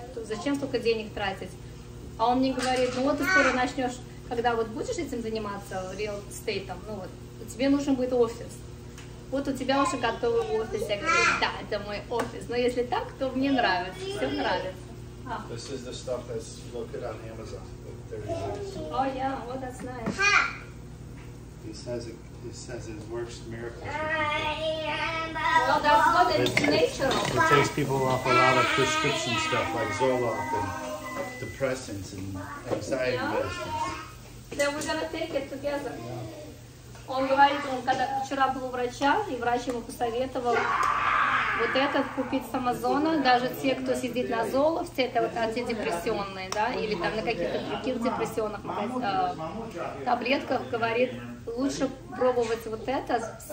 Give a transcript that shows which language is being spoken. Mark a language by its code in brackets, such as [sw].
[ru] Зачем столько денег тратить? А он мне говорит, ну вот ты скоро начнешь, когда вот будешь этим заниматься, [en] real estate, [ru] ну вот, тебе нужен будет офис. Вот у тебя уже готовый офис. Я говорю, да, это мой офис. Но если так, то мне нравится, все нравится. [en] This is the stuff that's located on Amazon. Oh yeah, well that's nice. He says it works miracles. Well, that's what it's natural. It takes people off a lot of prescription stuff like Zoloft and depressants and anxiety medicines. Then we're gonna take it together. Yeah. [ru] Он говорит, он когда вчера был у врача, и врач ему посоветовал. Вот этот купить с Амазона, даже те, кто сидит на Золовте, это вот антидепрессионные, да, или там на каких-то других депрессионных таблетках, говорит, лучше пробовать вот это.